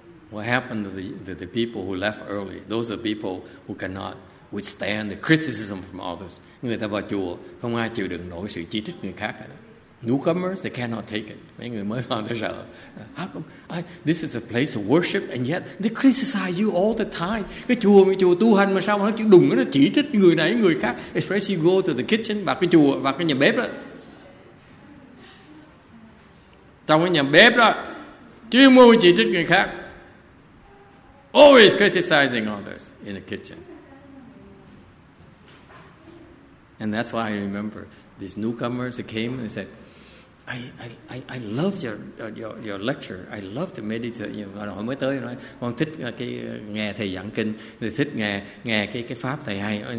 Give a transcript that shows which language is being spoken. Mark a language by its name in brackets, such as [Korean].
[English] What happened to the people who left early? Those are people who cannot withstand the criticism from others. [Vietnamese] Người ta vào chùa không ai chịu đựng nổi sự chỉ trích người khác hết. [English] Newcomers, they cannot take it. [Vietnamese] Mấy người mới vào tới giờ. [English] How come? This is a place of worship, and yet they criticize you all the time. [Vietnamese] Cái chùa mà chùa tu hành mà sao mà nó chịu đựng, nó chỉ trích người này người khác. [English] Especially go to the kitchen, [Vietnamese] vào cái chùa, vào cái nhà bếp đó. Trong cái nhà bếp đó, chuyên môn chỉ trích người khác. [English] Always criticizing others in the kitchen. And that's why I remember these newcomers that came and said, I love your lecture. I love to meditate. [Vietnamese] You know, mới tới nói con thích cái nghe thầy giảng kinh, thích nghe cái pháp thầy hay.